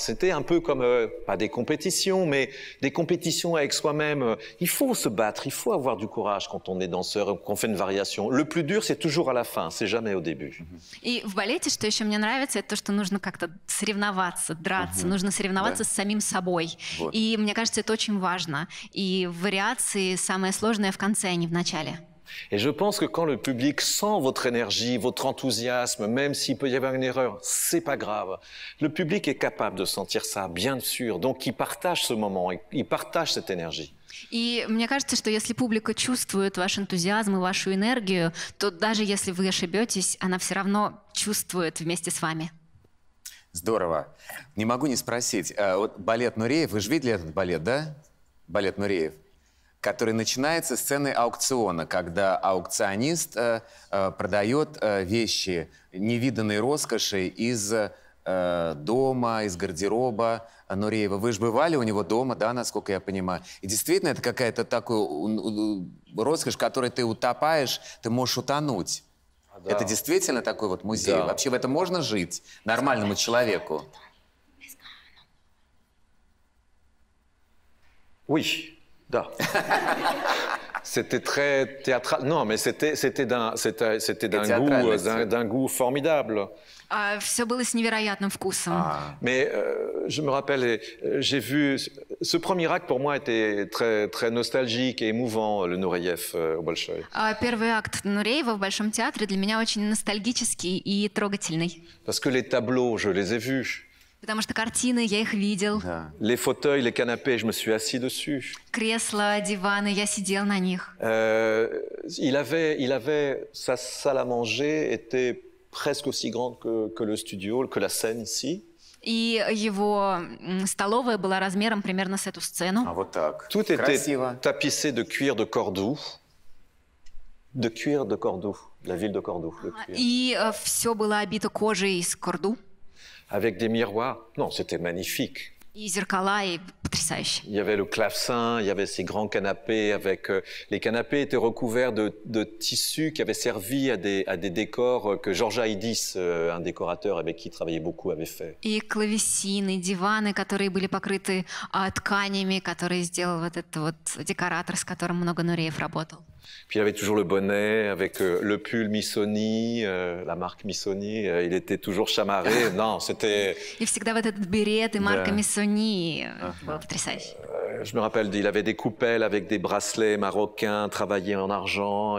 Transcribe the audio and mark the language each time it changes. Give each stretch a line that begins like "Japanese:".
French: C'était un peu comme, pas des compétitions, mais des compétitions avec soi-même. Il faut se battre, il faut avoir du courage quand on est danseur, qu'on fait une variation. Le plus dur, c'est toujours à la fin, c'est jamais au début.
Russian: И в балете, что еще мне нравится, это то, что нужно как-то соревноваться, драться, нужно соревноваться с самим собой. И мне кажется, это очень важно. И в вариации самое сложное в конце, а не в начале.
French: Et je pense que quand le public sent votre énergie, votre enthousiasme, même s'il peut y avoir une erreur, c'est pas grave. Le public est capable de sentir ça, bien sûr. Donc il partage ce moment, il partage cette énergie.
Russian: И мне кажется, что если публика чувствует ваш энтузиазм и вашу энергию, то даже если вы ошибетесь, она все равно чувствует вместе с вами. Здорово. Не могу не спросить. Вот балет Нуреев, вы же видели этот балет, да? Балет Нуреев. Который начинается с сцены аукциона, когда аукционист продает вещи невиданной роскоши из дома, из гардероба Нуреева. Вы же бывали у него дома, да, насколько я понимаю? И действительно, это какая-то такая роскошь, в которой ты утопаешь, ты можешь утонуть. Да. Это действительно такой вот музей? Да. Вообще в этом можно жить нормальному человеку?
French: Oui.
Russian: Да.
French: C'était très théâtral. Non, mais c'était d'un goût formidable.
Russian: Все было с невероятным вкусом.
French: Mais je me rappelle, j'ai vu ce premier acte pour moi était très très nostalgique et émouvant, le Nureyev au Bolshoï.
Russian: Первый акт Нуреева в Большом театре для меня очень ностальгический и трогательный.
French: Parce que les tableaux, je les ai vus.
Russian: Потому что картины, я их видел. Да.
French: Les fauteuils, les canapés, je me suis assis dessus.
Russian: Кресла, диваны, я сидел на них.
French: Il avait sa salle à manger était presque aussi grande que le studio, que la scène ici.
Russian: И его столовая была размером примерно с эту сцену. А вот так.
French: Tout
Russian: Красиво.
French: Était tapissé de cuir de cordoue. De cuir de cordoue, la ville de cordoue. Ah,
Russian: и все было обито кожей из кордоу.
French: Avec des miroirs, non, c'était magnifique.
Russian: И зеркала, и потрясающе.
French: Il y avait le clavecin, il y avait ces grands canapés avec les canapés étaient recouverts de tissus qui avaient servi à des décors que Georges Haïdis, un décorateur avec qui travaillait beaucoup, avait fait.
Russian: И клавесины, диваны, которые были покрыты тканями, которые сделал вот этот вот декоратор, с которым много Нуреев работал.
French: Puis il avait toujours le bonnet avec le pull Missoni, la marque Missoni. Il était toujours chamarré. Non, c'était. Il avait toujours cette beret et marque Missoni. Fantastique. Je me rappelle, il avait des coupelles avec des bracelets marocains travaillés en argent.